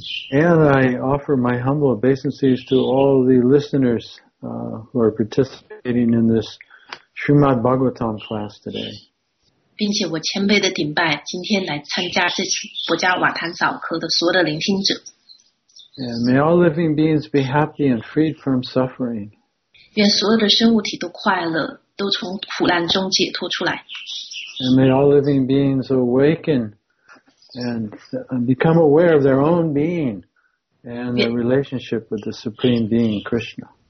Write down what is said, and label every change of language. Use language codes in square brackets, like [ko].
[en] And I offer my humble obeisances to all the listeners who are participating in this Srimad Bhagavatam class today. [zh] 并且我谦卑地顶拜今天来参加这次博迦瓦坦早课的所有的聆听者。 [en] And may all living beings be happy and freed from suffering. [zh] 愿所有的生物体都快乐，都从苦难中解脱出来。 [en] And may all living beings awaken and become aware of their own being and their relationship with the Supreme Being, Krishna.